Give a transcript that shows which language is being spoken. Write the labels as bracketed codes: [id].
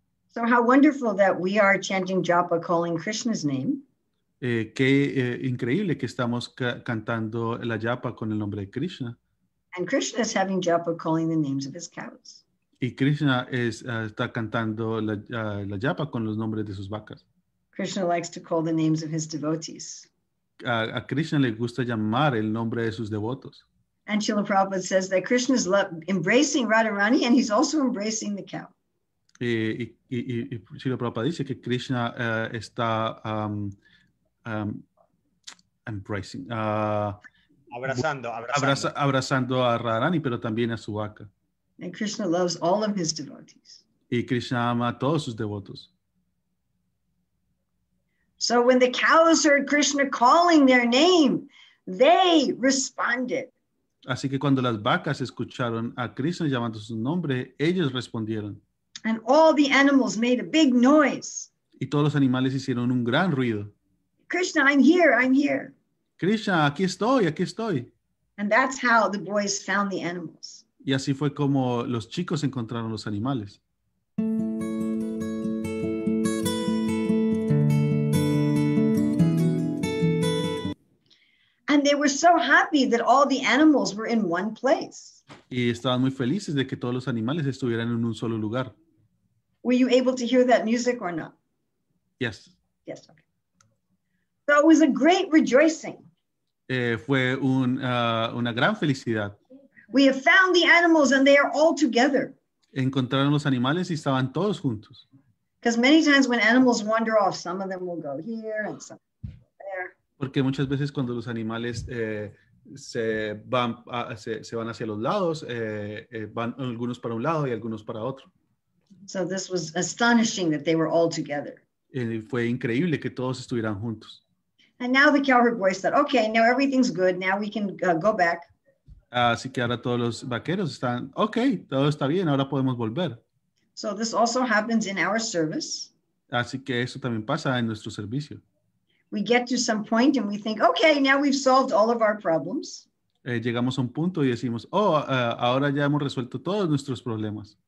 [en] So how wonderful that we are chanting japa, calling Krishna's name. [es] Increíble que estamos cantando la japa con el nombre de Krishna. [en] And Krishna is having japa calling the names of his cows. [es] Y Krishna está cantando la japa con los nombres de sus vacas. [en] Krishna likes to call the names of his devotees. [es] A Krishna le gusta llamar el nombre de sus devotos. [en] And Srila Prabhupada says that Krishna is embracing Radharani and he's also embracing the cow. [es] Y Srila Prabhupada dice que Krishna está [en] embracing. [es] abrazando a Radharani, pero también a su vaca. [en] And Krishna loves all of his devotees. [es] Y Krishna ama a todos sus devotos. [en] So when the cows heard Krishna calling their name, they responded. [es] Así que cuando las vacas escucharon a Krishna llamando su nombre, ellos respondieron. [en] And all the animals made a big noise. [es] Y todos los animales hicieron un gran ruido. [en] Krishna, I'm here, I'm here. [es] Krishna, aquí estoy, aquí estoy. [en] And that's how the boys found the animals. [es] Y así fue como los chicos encontraron los animales. [en] And they were so happy that all the animals were in one place. [es] Y estaban muy felices de que todos los animales estuvieran en un solo lugar. [en] Were you able to hear that music or not? Yes. Yes, okay. So it was a great rejoicing. [es] Fue una gran felicidad. [en] We have found the animals and they are all together. [es] Encontraron los animales y estaban todos juntos. [en] Because many times when animals wander off, some of them will go here and some there. [es] Porque muchas veces cuando los animales se van hacia los lados, van algunos para un lado y algunos para otro. [en] So this was astonishing that they were all together. [es] Y fue increíble que todos estuvieran juntos. [en] And now the cowherd boys said, okay, now everything's good. Now we can go back. [es] Así que ahora todos los vaqueros están, okay, todo está bien, ahora podemos volver. [en] So this also happens in our service. [es] Así que eso también pasa en nuestro servicio. [en] We get to some point and we think, okay, now we've solved all of our problems. [es] Llegamos a un punto y decimos, ahora ya hemos resuelto todos nuestros problemas.